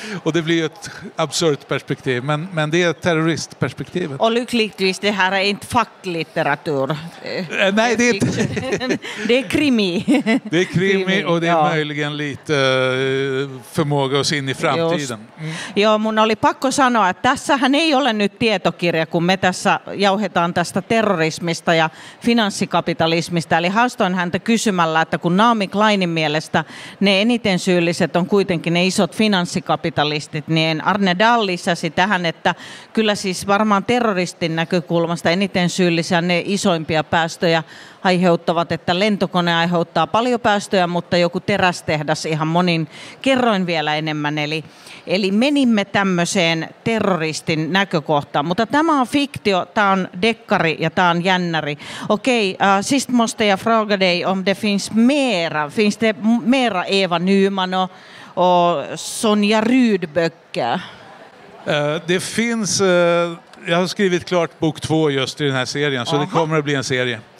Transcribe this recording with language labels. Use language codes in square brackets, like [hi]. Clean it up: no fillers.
[sv] Och det blir ju ett absurt perspektiv. Men det är terroristperspektivet. Och lyckligtvis, det här är inte facklitteratur. Nej, det är inte. Det är krimi. Det är krimi och det är möjligen lite förmåga att se in i framtiden. [fi] Ja, mun oli pakko sanoa, että tässähän ei ole nyt tietokirja, kun me tässä jauhetaan tästä terrorismista ja finanssikapitalismista. Eli haastoin häntä kysymällä, että kun Naomi Kleinin mielestä ne eniten syylliset on kuitenkin ne isot finanssikapitalistit, niin Arne Dahl lisäsi tähän, että kyllä siis varmaan terroristin näkökulmasta eniten syyllisiä ne isoimpia päästöjä aiheuttavat, että lentokone aiheuttaa paljon päästöjä, mutta joku terästehdas ihan monin kerroin vielä enemmän. Eli menimme tämmöiseen terroristin näkökohtaan, mutta tämä on fiktio, tämä on dekkari ja tämä on jännäri. [sv] Okei, sist måste jag fråga dig om det finns mera. Finns det mera Eva Nyman och Sonja Rydböcker? Det finns, jag har skrivit klart bok två just i den här serien, så det kommer att bli en serie.